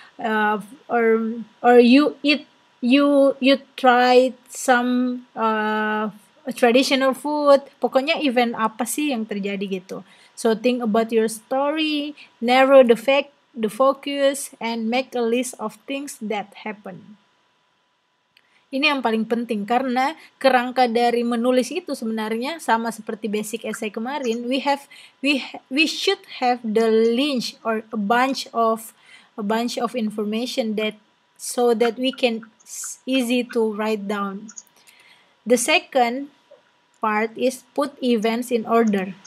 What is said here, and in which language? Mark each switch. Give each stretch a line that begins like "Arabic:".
English: or you eat, you tried some traditional food,
Indonesian: pokoknya event apa sih yang terjadi gitu.
English: So think about your story, narrow the fact, the focus, and make a list of things that happen.
Indonesian: Ini yang paling penting, karena kerangka dari menulis itu sebenarnya sama seperti basic essay kemarin.
English: We should have the lynch or a bunch of information that so that we can easy to write down. The second part is put events in order.